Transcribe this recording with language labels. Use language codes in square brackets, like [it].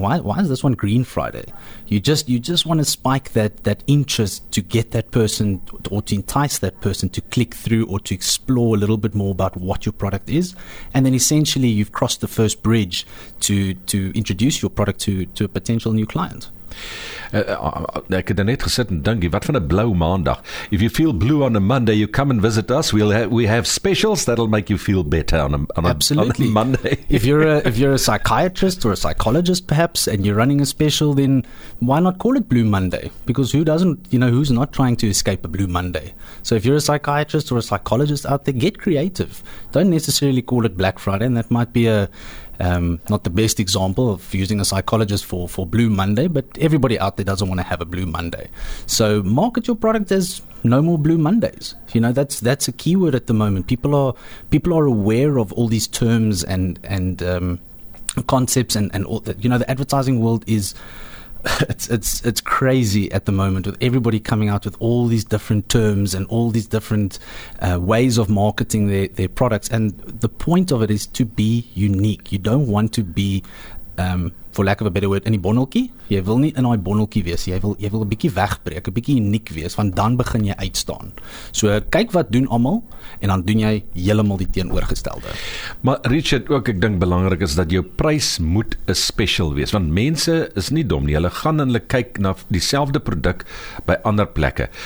[en] Why is this one Green Friday? You just want to spike that interest to get that person or to entice that person to click through or to explore a little bit more about what your product is. And then essentially you've crossed the first bridge to introduce your product to a potential new client. [af] Ek het net gesit en dink, wat van 'n blou maandag? [en] If you feel blue on a Monday, you come and visit us. We have specials that'll make you feel better on a Monday. if you're a psychiatrist or a psychologist perhaps, and you're running a special, then why not call it Blue Monday? Because who doesn't, who's not trying to escape a Blue Monday? So if you're a psychiatrist or a psychologist out there, get creative. Don't necessarily call it Black Friday, and that might be a not the best example of using a psychologist for Blue Monday, but everybody out there doesn't want to have a Blue Monday. So market your product as no more Blue Mondays. You know, that's a key word at the moment. People are aware of all these terms and concepts and all that. You know, the advertising world is it's crazy at the moment, with everybody coming out with all these different terms and all these different ways of marketing their products. And the point of it is to be unique. You don't want to be, for lack of a better word, [af] in die bonnelkie. Jy wil nie in daai bonnelkie wees. Jy wil 'n bietjie wegbreek, 'n bietjie uniek wees, want dan begin jy uitstaan. So kyk wat doen almal en dan doen jy heeltemal die teenoorgestelde. Maar Richard, ook ek dink belangrik is dat jou prys moet 'n special wees, want mense is nie dom nie. Hulle gaan en hulle kyk na dieselfde produk by ander plekke.